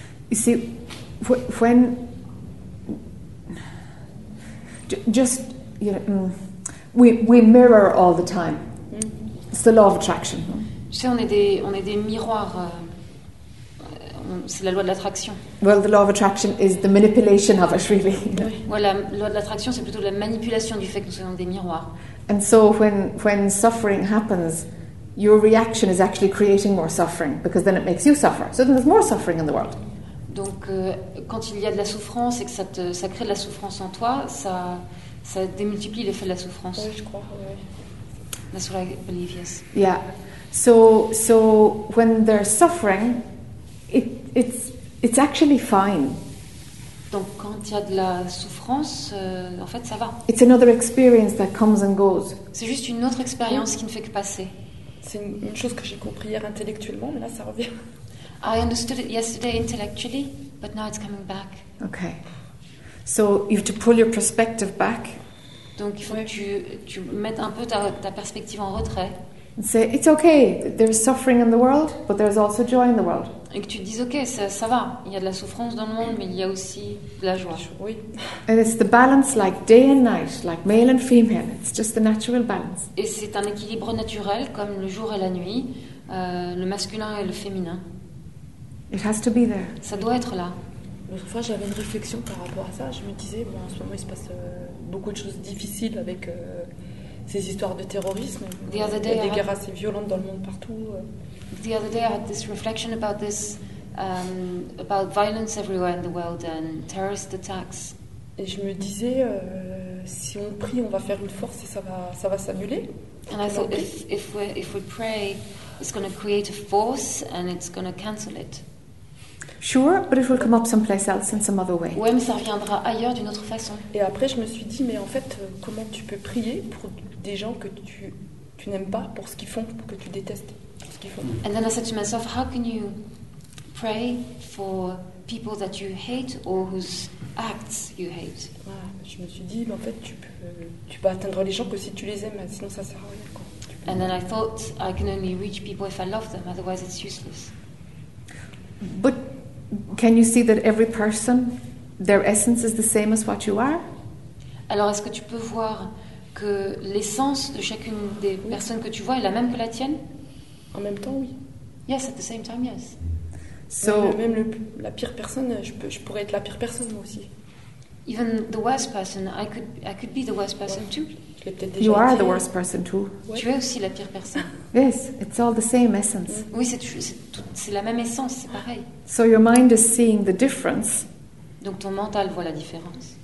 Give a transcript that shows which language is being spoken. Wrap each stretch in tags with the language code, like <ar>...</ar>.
<en>You see, when just you know, we mirror all the time. It's the law of attraction.</en> <fr>Tu sais, on est des miroirs. C'est la loi de l'attraction.</fr> <en>Well, the law of attraction is the manipulation of it, really.</en> <fr>Voilà, la loi de l'attraction, c'est plutôt la manipulation du fait que nous soyons des miroirs.</fr> <en>And so, when suffering happens, your reaction is actually creating more suffering because then it makes you suffer. So then there's more suffering in the world.</en> <fr>Donc, quand il y a de la souffrance et que ça crée de la souffrance en toi, ça démultiplie l'effet de la souffrance. Oui, je crois. Oui.</fr> <en>That's what I believe, yes. Yeah. So when they're suffering, it's actually fine.</en> <fr>Donc quand il y a de la souffrance, en fait, ça va.</fr> <en>It's another experience that comes and goes.</en> <fr>C'est juste une autre expérience qui ne fait que passer. C'est une chose que j'ai compris hier intellectuellement, mais là, ça revient.</fr> <en>I understood it yesterday intellectually, but now it's coming back. Okay. So you have to pull your perspective back.</en> <fr>Donc il faut que tu mettes un peu ta perspective en retrait.</fr> <en>Say it's okay. There's suffering in the world, but there's also joy in the world.</en> <fr>Et que tu dises ok, ça va. Il y a de la souffrance dans le monde, mais il y a aussi de la joie. Oui.</fr> <en>And it's the balance, like day and night, like male and female. It's just the natural balance.</en> <fr>Et c'est un équilibre naturel, comme le jour et la nuit, le masculin et le féminin.</fr> <en>It has to be there.</en> <fr>Ça doit être là. L'autre fois, j'avais une réflexion par rapport à ça. Je me disais, bon, en ce moment, il se passe beaucoup de choses difficiles avec ces histoires de terrorisme.</fr> <en>The other day,</en> <fr>il y a des guerres assez violentes dans le monde partout.</fr> <en>The other day, I had this reflection about this, about violence everywhere in the world and terrorist attacks.</en> <fr>Et je me disais, si on prie, on va faire une force et ça va s'annuler.</fr> <en>And I thought, if we pray, it's going to create a force and it's going to cancel it. Sure, but it will come up someplace else in some other way.</en> <fr>Ouais, mais ça reviendra ailleurs d'une autre façon. Et après, je me suis dit, mais en fait, comment tu peux prier pour des gens que tu n'aimes pas, pour ce qu'ils font, pour que tu détestes ce qu'ils font.</fr> <en>And then I said to myself, how can you pray for people that you hate or whose acts you hate?</en> <fr>Ouais, je me suis dit, mais en fait, tu peux atteindre les gens que si tu les aimes, sinon ça sert à rien, quoi.</fr> <en>And then I thought, I can only reach people if I love them, otherwise it's useless. But can you see that every person, their essence is the same as what you are?</en> <fr>Alors, est-ce que tu peux voir que l'essence de chacune des personnes que tu vois est la même que la tienne? En même temps, oui.</fr> <en>Yes, at the same time, yes. So,</en> <fr>même la pire personne, je pourrais être la pire personne, moi aussi.</fr> <en>Even the worst person, I could be the worst person, ouais, too. You are the worst person too.</en> <fr>Tu es aussi la pire personne.</fr> <en>Yes, it's all the same essence.</en> <fr>Oui, c'est la même essence, c'est pareil.</fr> <en>So your mind is seeing the difference.</en> <fr>Donc ton mental voit la différence.</fr>